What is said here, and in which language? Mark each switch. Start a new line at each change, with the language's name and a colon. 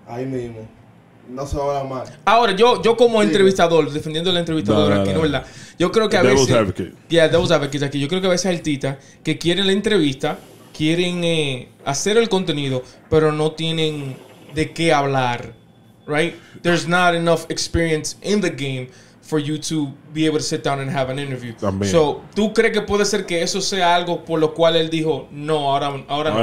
Spanish: Ahí mismo. No se va a hablar mal. Ahora, yo como sí. entrevistador, defendiendo al entrevistador aquí, ¿no? ¿Verdad? Yo creo que a veces...
English: Devil's advocate
Spanish: aquí. Yo creo que a veces artistas que quieren la entrevista, quieren hacer el contenido, pero no tienen de qué hablar.
English: Right? There's not enough experience in the game for you to be able to sit down and have an interview.
Spanish: También.
English: So,
Spanish: ¿tú crees que puede ser que eso sea algo por lo cual él dijo, no, ahora